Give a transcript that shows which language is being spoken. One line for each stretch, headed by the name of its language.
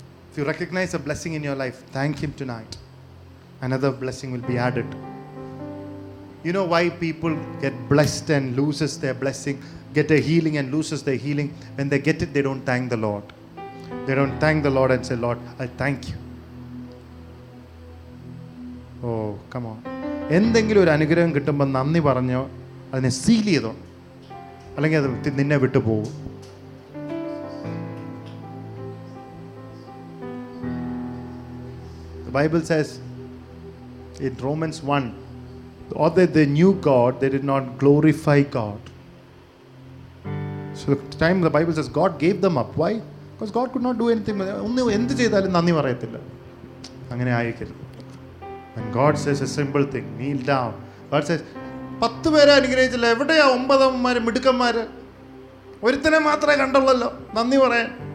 English: If you recognize a blessing in your life, thank Him tonight. Another blessing will be added. You know why people get blessed and loses their blessing, get a healing and loses their healing? When they get it, they don't thank the Lord. They don't thank the Lord and say, Lord, I thank you. Oh, come on.
Malayalam: എന്തെങ്കിലും ഒരു അനുഗ്രഹം കിട്ടുമ്പോൾ നന്ദി പറഞ്ഞോ അതിനെ seal ചെയ്തോ, അല്ലെങ്കിൽ അത് നിന്നെ വിട്ടു പോകും.
English: The Bible says in Romans 1, although they knew God, they did not glorify God. So the time the Bible says God gave them up. Why? Because God could not do anything.
Malayalam: ഒന്നും എന്ത് ചെയ്താലും നന്ദി പറയത്തില്ല. അങ്ങനെ ആയിരിക്കരുത്.
English: And God says a simple thing, kneel down. God says,
Malayalam: 10 പേരെ അനുഗ്രഹിച്ചില്ല, എവിടെയാ 9 മിടുക്കന്മാർ? ഒരുത്തനെ മാത്രമേ കണ്ടുള്ളല്ലോ, നന്ദി പറയാൻ.